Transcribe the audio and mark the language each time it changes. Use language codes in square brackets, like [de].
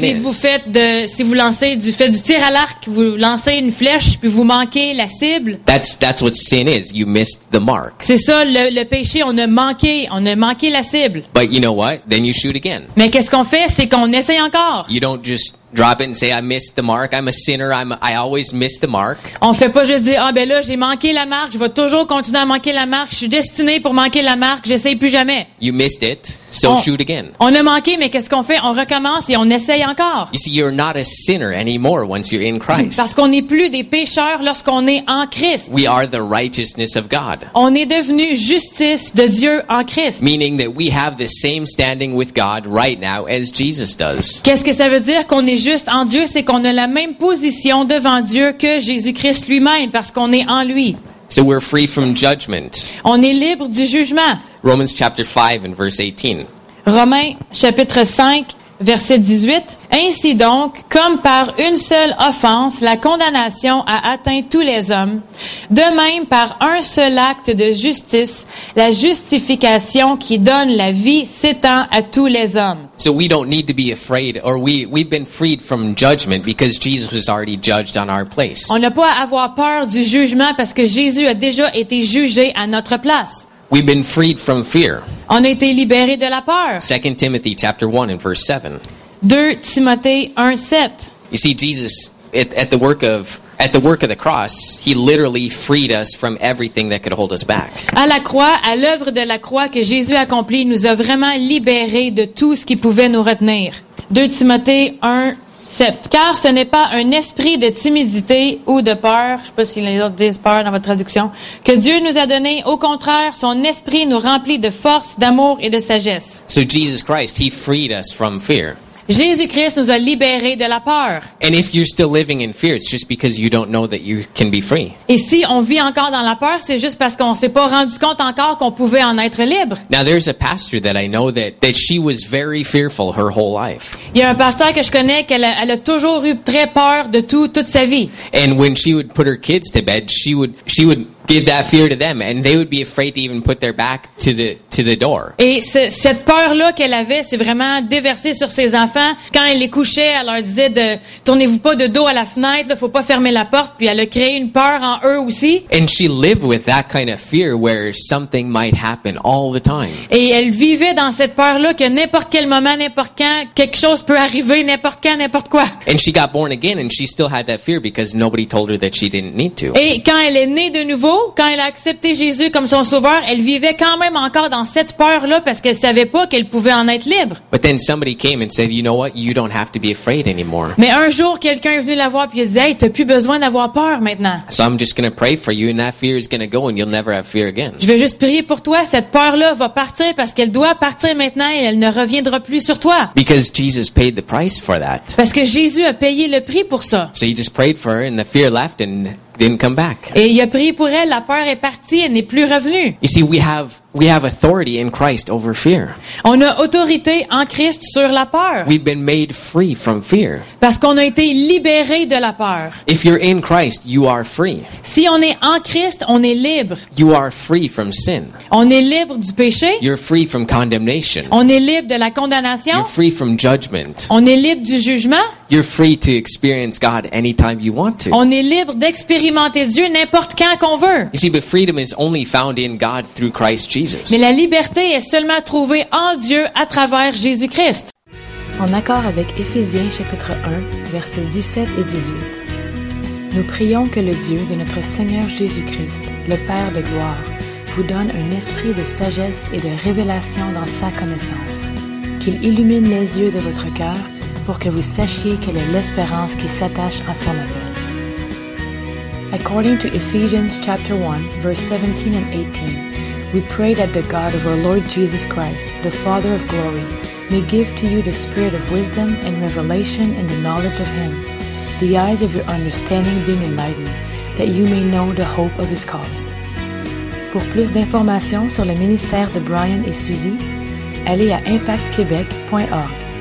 [en] si is. [fr] Si vous faites du tir à l'arc, vous lancez une flèche puis vous manquez la cible. [en] That's what sin is. You missed the mark. [fr] C'est ça le péché. On a manqué la cible. [en] But you know what? Then you shoot again. [fr] Mais qu'est-ce qu'on fait? C'est qu'on essaye encore. [en] You don't just drop it and say I missed the mark. I'm a sinner. I always miss the mark. [fr] On fait pas juste dire ah ben là j'ai manqué la marque. Je vais toujours continuer à manquer la marque. Je suis destiné pour manquer la marque. J'essaie plus jamais. [en] You missed it, so shoot again. [fr] On a manqué, mais qu'est-ce qu'on fait? On recommence et on essaye encore. [en] You see, you're not a sinner anymore once you're in Christ. [fr] Parce qu'on n'est plus des pécheurs lorsqu'on est en Christ. [en] We are the righteousness of God. [fr] On est devenu justice de Dieu en Christ. [en] Meaning that we have the same standing with God right now as Jesus does. [fr] Qu'est-ce que ça veut dire qu'on est juste en Dieu, c'est qu'on a la même position devant Dieu que Jésus-Christ lui-même parce qu'on est en lui. [en] So we're free from judgment. [fr] On est libre du jugement. [en] Romans chapter 5 and verse 18. [fr] Romains chapitre 5 verset 18. Ainsi donc, comme par une seule offense, la condamnation a atteint tous les hommes, de même par un seul acte de justice, la justification qui donne la vie s'étend à tous les hommes. [en] So we don't need to be afraid, or we've been freed from judgment because Jesus has already judged on our place. [fr] On n'a pas à avoir peur du jugement parce que Jésus a déjà été jugé à notre place. [en] We've been freed from fear. [fr] On a été libéré de la peur. [en] 2 Timothy chapter 1 and verse 7. [fr] 2 Timothée 1, 7. [en] You see, Jesus, at the work of the cross, he literally freed us from everything that could hold us back. [fr] À la croix, à l'œuvre de la croix que Jésus a accompli, nous a vraiment libéré de tout ce qui pouvait nous retenir. 2 Timothée 1, 7. Car ce n'est pas un esprit de timidité ou de peur, je ne sais pas si les autres disent peur dans votre traduction, que Dieu nous a donné. Au contraire, son esprit nous remplit de force, d'amour et de sagesse. [en] So Jesus Christ, he freed us from fear. [fr] Jésus-Christ nous a libérés de la peur. [en] And if you're still living in fear, it's just because you don't know that you can be free. [fr] Et si on vit encore dans la peur, c'est juste parce qu'on s'est pas rendu compte encore qu'on pouvait en être libre. [en] Now there's a pastor that I know that she was very fearful her whole life. [fr] Il y a un pasteur que je connais qu'elle a toujours eu très peur de toute sa vie. [en] And when she would put her kids to bed, she would give that fear to them, and they would be afraid to even put their back to the door. [fr] Et cette peur là qu'elle avait, c'est vraiment déversée sur ses enfants. Quand elle les couchait, elle leur disait de tournez-vous pas de dos à la fenêtre, là, faut pas fermer la porte. Puis elle a créé une peur en eux aussi. [en] And she lived with that kind of fear where something might happen all the time. [fr] Et elle vivait dans cette peur là que n'importe quel moment, n'importe quand, quelque chose peut arriver, n'importe quand, n'importe quoi. [en] And she got born again, and she still had that fear because nobody told her that she didn't need to. [fr] Et quand elle est née de nouveau, quand elle a accepté Jésus comme son sauveur, elle vivait quand même encore dans cette peur-là parce qu'elle ne savait pas qu'elle pouvait en être libre. [en] But then somebody came and said, you know what, you don't have to be afraid anymore. [fr] Mais un jour, quelqu'un est venu la voir et il disait, hey, t'as plus besoin d'avoir peur maintenant. [en] So I'm just gonna pray for you and that fear is gonna go and you'll never have fear again. [fr] Je vais juste prier pour toi, cette peur-là va partir parce qu'elle doit partir maintenant et elle ne reviendra plus sur toi. [en] Because Jesus paid the price for that. [fr] Parce que Jésus a payé le prix pour ça. [en] So he just prayed for her and the fear left and didn't come back. [fr] Et il a prié pour elle, la peur est partie, elle n'est plus revenue. [en] You see, we have authority in Christ over fear. [fr] On a autorité en Christ sur la peur. [en] We've been made free from fear. [fr] Parce qu'on a été libéré de la peur. [en] If you're in Christ, you are free. [fr] Si on est en Christ, on est libre. [en] You are free from sin. [fr] On est libre du péché. [en] You're free from condemnation. [fr] On est libre de la condamnation. [en] You're free from judgment. [fr] On est libre du jugement. [en] You're free to experience God anytime you want to. [fr] On est libre d'expérimenter Dieu n'importe quand qu'on veut. [en] You see, but freedom is only found in God through Christ Jesus. [fr] Mais la liberté est seulement trouvée en Dieu à travers Jésus-Christ. En accord avec Éphésiens chapitre 1, versets 17 et 18, nous prions que le Dieu de notre Seigneur Jésus-Christ, le Père de gloire, vous donne un esprit de sagesse et de révélation dans sa connaissance, qu'il illumine les yeux de votre cœur pour que vous sachiez quelle est l'espérance qui s'attache à son appel. [en] According to Ephesians chapter 1, verse 17 and 18, we pray that the God of our Lord Jesus Christ, the Father of glory, may give to you the spirit of wisdom and revelation in the knowledge of Him, the eyes of your understanding being enlightened, that you may know the hope of His calling. [fr] Pour plus d'informations sur le ministère de Brian et Suzy, allez à impactquebec.org.